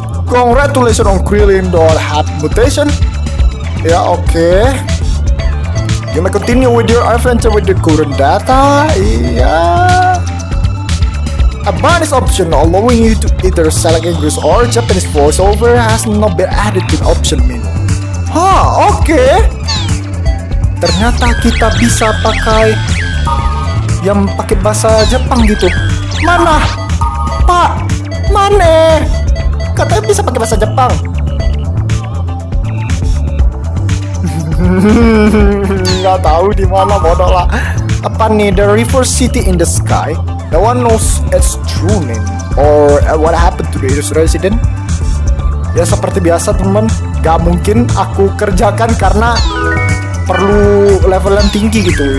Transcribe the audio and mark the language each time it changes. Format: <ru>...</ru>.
<en>Congratulations on grilling the hat mutation.</en> <id>Ya, oke.</id> <en>Okay. You may continue with your adventure with the current data. Yeah. A bonus option allowing you to either select English or Japanese voiceover has not been added to the option menu. Okay.</en> <id>Ternyata kita bisa pakai yang pakai bahasa Jepang gitu. Mana? Pak, mana? Katanya bisa pakai bahasa Jepang. Nggak tahu di mana, bodoh lah. Apa nih,</id> <en>the river city in the sky? No one knows its true name or what happened to the Irish resident.</en> <id>Ya seperti biasa, temen, gak mungkin aku kerjakan karena perlu level yang tinggi gitu.</id>